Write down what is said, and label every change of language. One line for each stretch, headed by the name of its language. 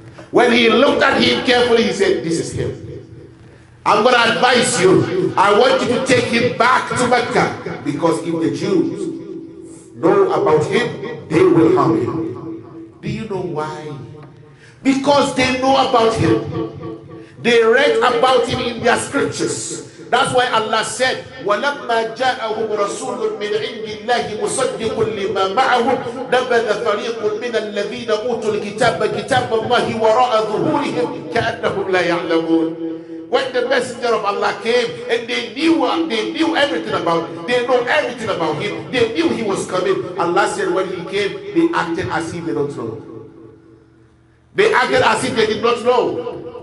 English: When he looked at him carefully, he said, this is him. I'm going to advise you. I want you to take him back to Mecca. Because if the Jews know about him, they will harm him. Do you know why? Because they know about him. They read about him in their scriptures. That's why Allah said,
Arabic: وَلَمَّا جَاءَهُمْ رَسُولٌ مِّنْ عِنْدِ اللَّهِ مُصَدِّقٌ لِمَا مَعَهُمْ نَبَذَ فَرِيقٌ مِّنَ الَّذِينَ أُوتُوا الْكِتَابَ كِتَابَ اللَّهِ وَرَاءَ ظُهُورِهِمْ كَأَنَّهُمْ لَا يَعْلَمُونَ.
English: when the messenger of Allah came, and they knew everything about him. They know everything about him. They knew he was coming. Allah said when he came, they acted as if they don't know. They acted as if they did not know.